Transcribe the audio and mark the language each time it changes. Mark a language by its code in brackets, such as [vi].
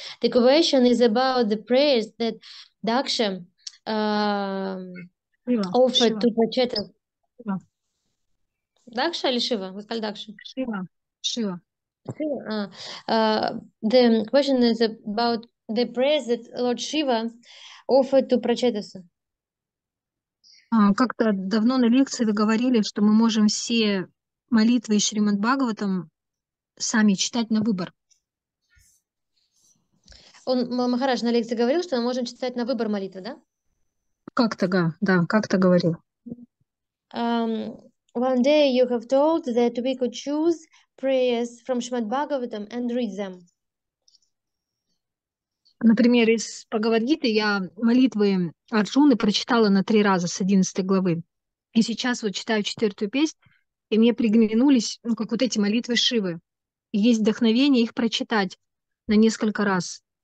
[en] The question is about the prayers that Daksha offered to Pracheta. [ru] Daksha или Шива? Вы сказали Дакша? Шива. [en] The question is about the prayers that Lord Shiva offered to Prachetasa. [ru] Как-то давно на лекции вы говорили, что мы можем все молитвы Шримад Бхагаватам сами читать на выбор. Он, Махарадж, на лекции говорил, что мы можем читать на выбор молитвы, да? Как-то, да, как-то говорил. [en] One day you have told that we could choose prayers from Shrimad Bhagavatam and read them. [ru] Например, из Бхагавад-гиты я молитвы Арджуны прочитала на 3 раза с 11 главы. И сейчас вот читаю 4-ю песнь, и мне приглянулись, ну, как вот эти молитвы Шивы. И есть вдохновение их прочитать на несколько раз.